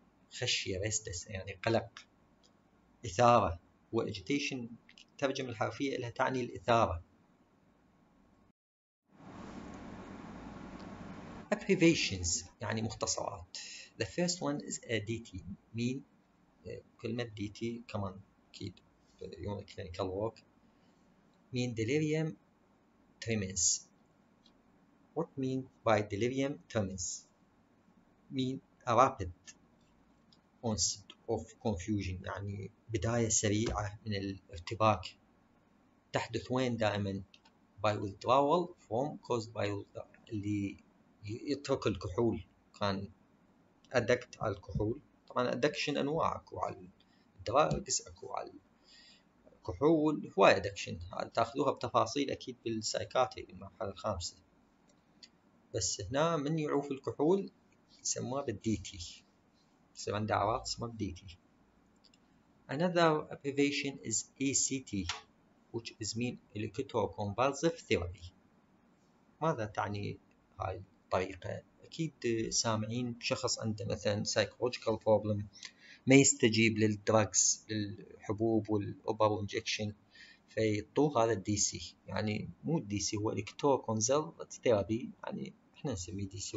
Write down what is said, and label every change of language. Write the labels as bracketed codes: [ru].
[ar] خشية, restless, يعني قلق, إثارة. و agitation ترجم الحرفية لها تعني الإثارة. Abbreviations يعني مختصرات. [en] The first one is a DT, mean [ar] كلمة DT كمان أكيد يوم [en] clinical work, mean delirium tremens. What mean by delirium tremens? Mean a rapid onset of confusion, [ar] يعني بداية سريعة من الارتباك. تحدث وين دائما؟ [en] By withdrawal from, caused by [ar] اللي يترك الكحول, كان أدكت على الكحول. طبعا أدكشن أنواع, أكو على الدراجز, أكو على الكحول, هواي أدكشن. تأخذوها بتفاصيل أكيد بالسايكاتري بالمرحلة الخامسة, بس هنا من يعوف الكحول يسموها بالديتي, سبعن دعوات اسمها بالديتي. [en] Another abbreviation is ECT, which is mean electroconvulsive therapy. [ar] ماذا تعني هاي طريقة؟ أكيد سامعين شخص عنده مثلاً [en] psychological problem, [ar] ما يستجيب للدراجز, للحبوب والأوبر إنجكشن, فيطوه هذا الدي سي. يعني مو الدي سي, هو الكتروكونزرفاتي ثيرابي, يعني إحنا نسميه دي سي.